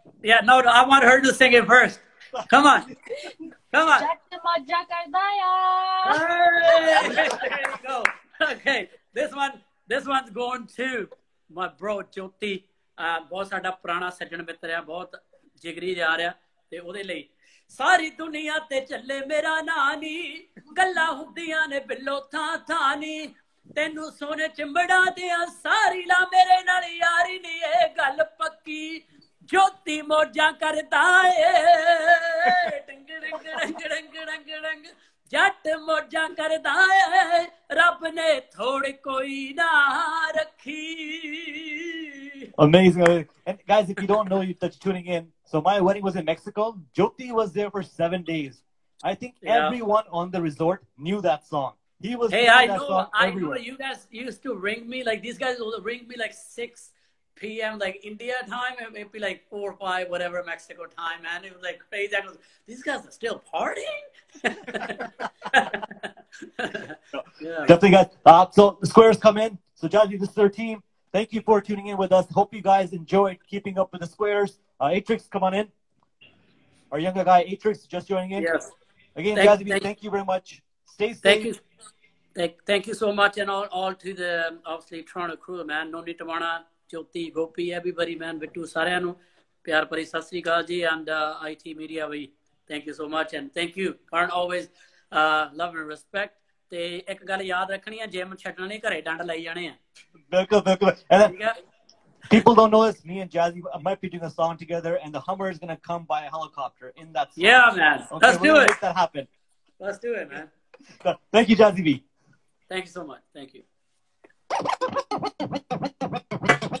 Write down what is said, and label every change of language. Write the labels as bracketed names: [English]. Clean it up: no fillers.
[English] Yeah, no, I want her to sing it first. Come on. Come on. There you go. Okay. This one's going to my bro, Jyoti. [Punjabi] Bahut sada purana sajjan mitr hai. Bahut jigri ja rya. Te ohde layi. ਸਾਰੀ ਦੁਨੀਆ ਤੇ ਚੱਲੇ ਮੇਰਾ ਨਾਨੀ ਗੱਲਾਂ ਹੁੰਦੀਆਂ ਨੇ ਬਿੱਲੋ ਥਾਂ ਥਾਨੀ ਤੈਨੂੰ ਸੋਨੇ ਚਿੰਬੜਾ ਦਿਆਂ ਸਾਰੀ ਲਾ ਮੇਰੇ ਨਾਲ ਯਾਰੀ ਨੀ ਇਹ ਗੱਲ ਪੱਕੀ ਜੋਤੀ ਮੋਜਾਂ ਕਰਦਾ ਏ ਡੰਗ ਜੱਟ ਮੋਜਾਂ ਕਰਦਾ ਏ ਰੱਬ ਨੇ ਥੋੜੀ ਕੋਈ ਨਾ ਰੱਖੀ [English] Amazing. And guys, if you don't know, you're tuning in. So my wedding was in Mexico. Jyoti was there for 7 days. I think everyone on the resort knew that song. I know you guys used to ring me. Like, these guys would ring me like 6 p.m. like India time. It would be like 4 or 5, whatever, Mexico time. And it was like crazy. I was like, these guys are still partying? Definitely, guys. So the squares come in. So Jazzy, this is our team. Thank you for tuning in with us. Hope you guys enjoyed keeping up with the squares. Atrix, come on in. Our younger guy, Atrix, just joining in. Yes. Again, guys, thank you very much. Stay safe. Thank you. Thank you so much. And all to the, obviously, Toronto crew, man. Noni Tamana, Jyoti, Gopi, everybody, man. Vittu, Sarayanu, Pyar Pari, Sat Sri Akaal Ji, and IT Media, we thank you so much. And thank you. Karan, always love and respect. [Punjabi] ਤੇ ਇੱਕ ਗੱਲ ਯਾਦ ਰੱਖਣੀ ਆ gym ਛੱਡਣਾ ਨਹੀਂ ਘਰੇ ਡੰਡ ਲਈ ਜਾਣੇ ਆ [English] ਬਿਲਕੁਲ people don't know this me and Jazzy might be doing a song together and the Hummer is going to come by a helicopter in that song. Yeah man okay, let's do it make that happen. Let's do it man thank you Jazzy B thank you so much thank you